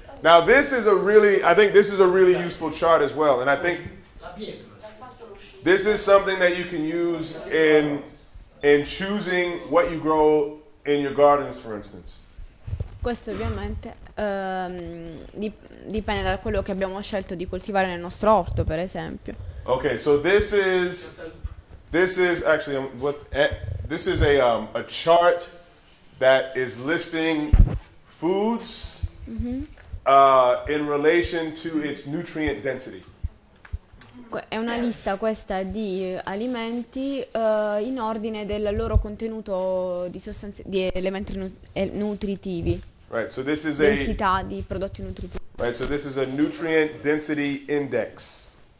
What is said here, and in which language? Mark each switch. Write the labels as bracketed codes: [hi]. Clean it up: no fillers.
[en] Now, this is a really, I think this is a really useful chart as well, and I think this is something that you can use in choosing what you grow in your gardens, for instance. [it] Questo ovviamente dipende da quello che abbiamo scelto di coltivare nel nostro orto, per esempio. [en] Okay, so this is a chart that is listing foods in relation to its nutrient density. [it] È una lista questa di alimenti in ordine del loro contenuto di sostanze, di elementi nutritivi. [en] Right, so this is [it] densità a di prodotti nutritivi. [en] Right, so this is a nutrient density index.